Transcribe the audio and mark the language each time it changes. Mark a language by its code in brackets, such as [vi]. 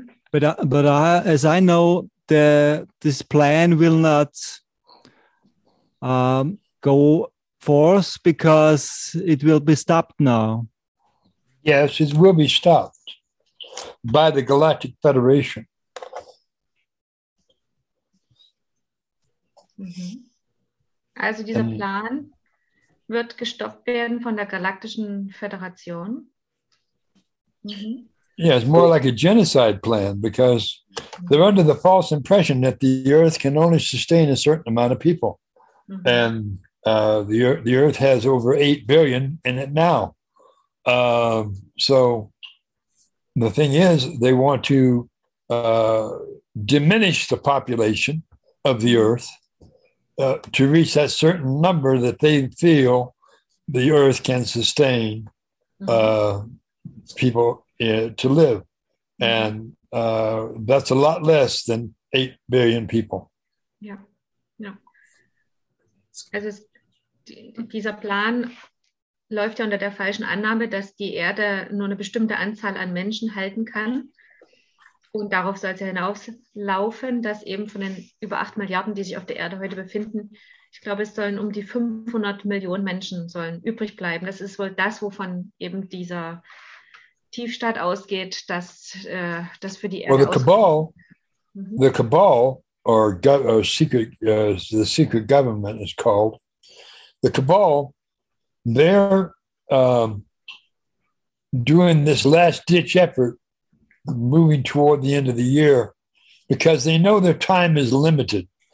[en] But as I know, this plan will not go forth because it will be stopped now. Yes, it will be stopped by the Galactic Federation. Mm-hmm. [de] Also dieser Plan wird gestoppt werden von der Galaktischen Föderation. Mm-hmm. [en] Yeah, it's more like a genocide plan because they're under the false impression that the Earth can only sustain a certain amount of people. Mm-hmm. And the Earth has over 8 billion in it now. So the thing is, they want to diminish the population of the Earth to reach that certain number that they feel the Earth can sustain people to live. And that's a lot less than 8 billion people. Yeah. [de] Also dieser Plan läuft ja unter der falschen Annahme, dass die Erde nur eine bestimmte Anzahl an Menschen halten kann. Und darauf soll es ja hinauslaufen, dass eben von den über 8 Milliarden, die sich auf der Erde heute befinden, ich glaube, es sollen um die 500 Millionen Menschen sollen übrig bleiben. Das ist wohl das, wovon eben dieser Tiefstaat ausgeht, dass das für die Erde ausgeht. [en] The Cabal, or secret, the secret government is called, the Cabal, they're doing this last-ditch effort moving toward the end of the year because they know their time is limited.